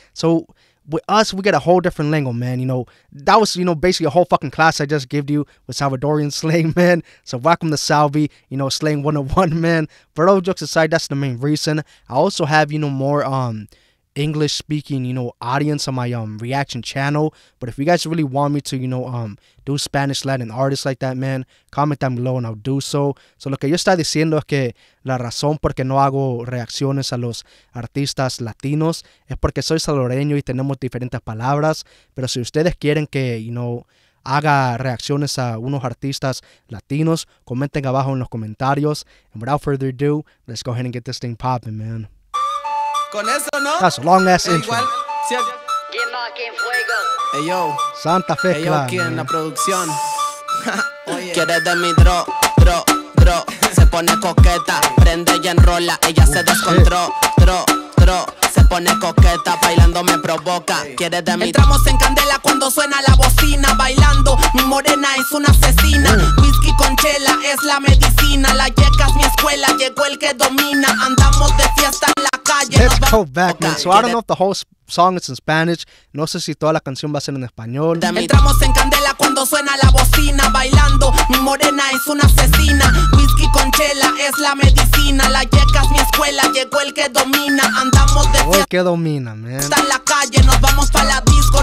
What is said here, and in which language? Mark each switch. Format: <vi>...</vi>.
<en>So, with us, we get a whole different lingo, man, you know, that was, you know, basically a whole fucking class I just gave you with Salvadorian slang, man, so welcome to Salvi, you know, slang 101, man. But all jokes aside, that's the main reason. I also have, you know, more, English speaking, you know, audience on my reaction channel. But if you guys really want me to, you know, do Spanish Latin artists like that, man, comment down below and I'll do so.</en> <es>So lo que yo estaba diciendo es que la razón por que no hago reacciones a los artistas latinos es porque soy salvadoreño y tenemos diferentes palabras. Pero si ustedes quieren que,</es> <en>you know,</en> <es>haga reacciones a unos artistas latinos, comenten abajo en los comentarios.</es> <en>And without further ado, let's go ahead and get this thing popping, man.</en> <es>Con eso, ¿no?</es> <en>That's a long ass intro. Hey yo, Santa Fe, hey yo, Klan,</en> <es>¿quién en la producción? Quieres de mi dro, dro, dro. Se pone coqueta, prende y enrola. Ella se descontrola, dro, dro. Se pone coqueta, bailando me provoca. Quieres de mi dro. Entramos en candela cuando suena la bocina. Bailando, mi morena es una asesina. Whisky con chela es la medicina. La yeca es mi escuela, llegó el que domina. Andamos de fiesta.</es> <en>Let's go back, man. So I don't know if the whole song is in Spanish.</en> <es>No sé si toda la canción va a ser en español. Entramos en candela cuando suena la bocina. Bailando, mi morena es una asesina. Whisky con chela es la medicina. La yeca es mi escuela, llegó el que domina. Andamos de fiesta. Oh, que domina, man. Está en la calle, nos vamos pa' la disco.</es>